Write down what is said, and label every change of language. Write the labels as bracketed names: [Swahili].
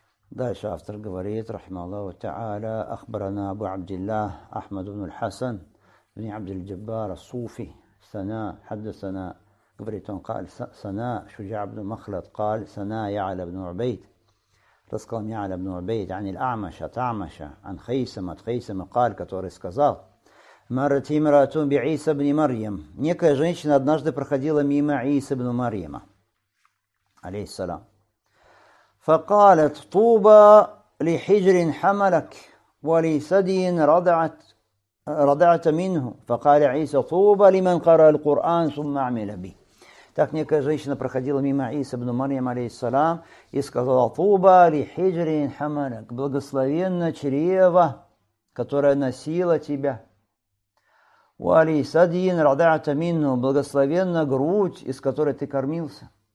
[Russian] Дальше автор говорит, [Arabic] рахмаллаху та'аля, [Russian] ахбарана абу абдиллах, ахмаду ибн аль-хасан, ибн абдиль-джаббар, суфи, сана, [Arabic] хаддасана, [Russian] говорит он, сана, шуджа ибн махлад, [Arabic] قال, [Russian] сана, я'ля ибн убейд, рассказал я'ля ибн убейд, ан аль-а'маша, та'маша, ан хайсама, от хайсама, قال, который сказал, [Arabic] марат имратун би Иса ибн Марьям, [Russian] некая женщина однажды проходила мимо Иса ибн Марьяма, алейхиссалам. [Arabic] فقالت طوبى لحجر حملك ولسدي رضعت منه فقال عيسى طوبى لمن قرأ القرآن ثم عمل به. [Russian] Так некая женщина проходила мимо Иса ибн Марьям алейхиссалам и сказала: [Arabic] طوبى لحجر حملك, [Russian] благословенно чрево, которое носило тебя, [Arabic] ولسدي رضعت منه, [Russian] благословенно грудь, из которой ты кормился.